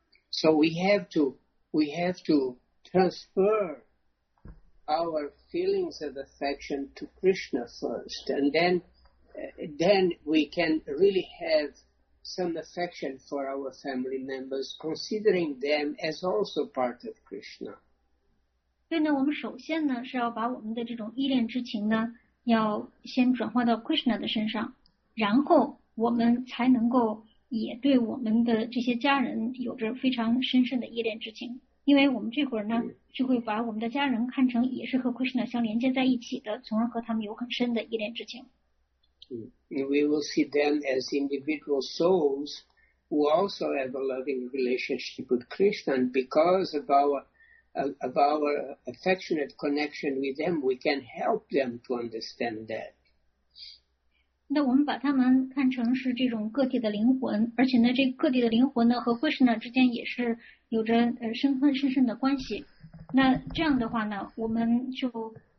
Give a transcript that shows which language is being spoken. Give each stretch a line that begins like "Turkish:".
English: So we have to transfer our feelings of affection to Krishna first, and then we can really have some affection for our family members, considering them as also part of Krishna.
Chinese: 所以呢，我们首先呢是要把我们的这种依恋之情呢，要先转化到 Krishna 的身上，然后我们才能够也对我们的这些家人有着非常深深的依恋之情。因为我们这会儿呢，就会把我们的家人看成也是和 Krishna 相连接在一起的，从而和他们有很深的依恋之情。
English: We will see them as individual souls who also have a loving relationship with Krishna. And because of our affectionate connection with them, we can help them to understand that.
Chinese: 那我们把他们看成是这种个体的灵魂，而且呢，这个体的灵魂呢和 Krishna 之间也是有着深刻深深的关系，那这样的话呢，我们就